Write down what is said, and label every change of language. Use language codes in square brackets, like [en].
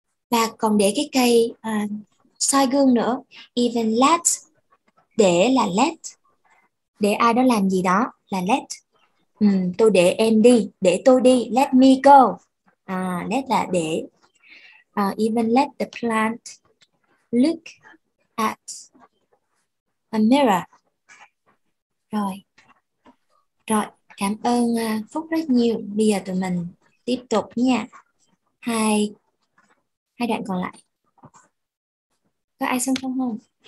[vi] Và còn để cái cây soi gương nữa. [en] Even let. [vi] Để là let. Để ai đó làm gì đó là let. Tôi để em đi. Để tôi đi. [en] Let me go. [vi] let là để. [en] Even let the plant look at a mirror. [vi] Rồi. Rồi, cảm ơn Phúc rất nhiều. Bây giờ tụi mình tiếp tục nha. Hai đoạn còn lại. Có ai xong không không?